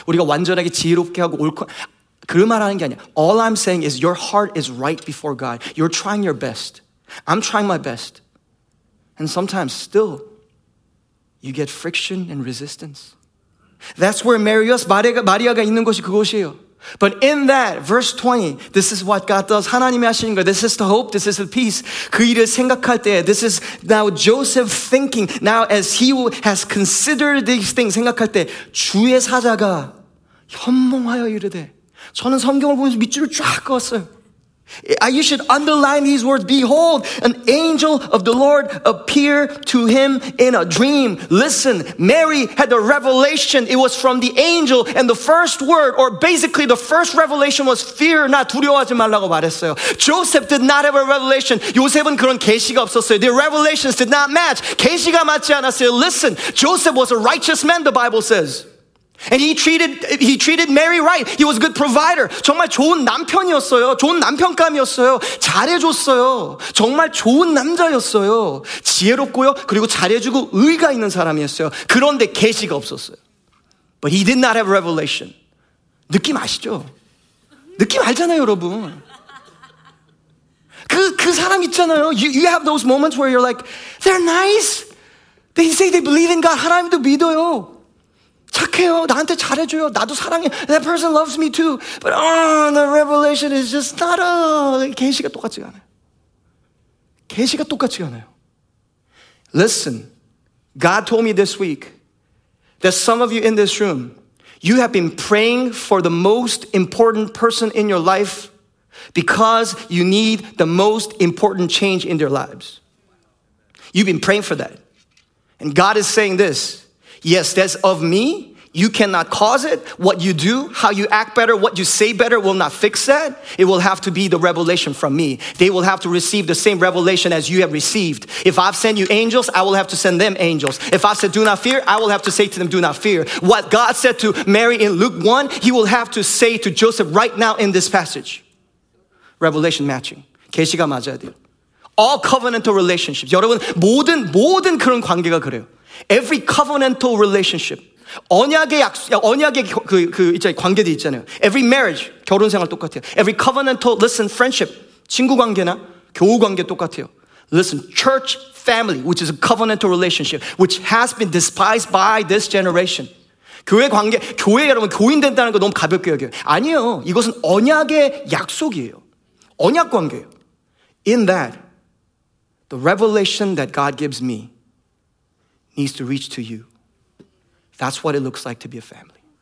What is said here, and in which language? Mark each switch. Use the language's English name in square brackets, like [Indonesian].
[Korean] 우리가 완전하게 지혜롭게 하고 옳고 그 말하는 게 아니야. [English] All I'm saying is your heart is right before God. You're trying your best. I'm trying my best. And sometimes still, you get friction and resistance. That's where Marius, [Korean] 마리아가 있는 곳이 그곳이에요. [English] But in that, verse 20, this is what God does. [Korean] 하나님이 하시는 거예요. [English] This is the hope. This is the peace. [Korean] 그 일을 생각할 때, [English] this is now Joseph thinking. Now as he has considered these things, [Korean] 생각할 때, 주의 사자가 현몽하여 이르되. 저는 성경을 보면서 밑줄을 쫙 그었어요. [English] You should underline these words. Behold, an angel of the Lord appeared to him in a dream. Listen, Mary had a revelation. It was from the angel. And the first word, or basically the first revelation was fear not, [Korean] 두려워하지 말라고 말했어요. [English] Joseph did not have a revelation. [Korean] 요셉은 그런 계시가 없었어요. [English] Their revelations did not match. [Korean] 계시가 맞지 않았어요. [English] Listen, Joseph was a righteous man, the Bible says. And he treated Mary right. He was a good provider. [Korean] 정말 좋은 남편이었어요. 좋은 남편감이었어요. 잘해줬어요. 정말 좋은 남자였어요. 지혜롭고요. 그리고 잘해주고 의가 있는 사람이었어요. 그런데 계시가 없었어요. [English] But he did not have revelation. [Korean] 느낌 아시죠? 느낌 알잖아요, 여러분. 그 사람 있잖아요. [English] You have those moments where you're like, they're nice. They say they believe in God. [Korean] 하나님도 믿어요. 착해요. 나한테 잘해줘요. 나도 사랑해. [English] That person loves me too. But the revelation is just not a... [Korean] 계시가 똑같지가 않아요. 계시가 똑같지가 않아요. [English] Listen, God told me this week that some of you in this room, you have been praying for the most important person in your life because you need the most important change in their lives. You've been praying for that. And God is saying this, yes, that's of me. You cannot cause it. What you do, how you act better, what you say better will not fix that. It will have to be the revelation from me. They will have to receive the same revelation as you have received. If I've sent you angels, I will have to send them angels. If I said, do not fear, I will have to say to them, do not fear. What God said to Mary in Luke 1, he will have to say to Joseph right now in this passage. Revelation matching. [Korean] 계시가 맞아야 돼요. [English] All covenantal relationships. [Korean] 여러분, 모든 그런 관계가 그래요. [English] Every covenantal relationship. [Korean] 언약의 관계도 있잖아요. [English] Every marriage, [Korean] 결혼 생활 똑같아요. [English] Every covenantal, listen, friendship, [Korean] 친구 관계나 교우 관계 똑같아요. [English] Listen, church family, which is a covenantal relationship, which has been despised by this generation. [Korean] 교회 관계, 교회 여러분, 교인 된다는 거 너무 가볍게 여겨요. 아니요, 이것은 언약의 약속이에요. 언약 관계예요. [English] In that, the revelation that God gives me needs to reach to you. That's what it looks like to be a family.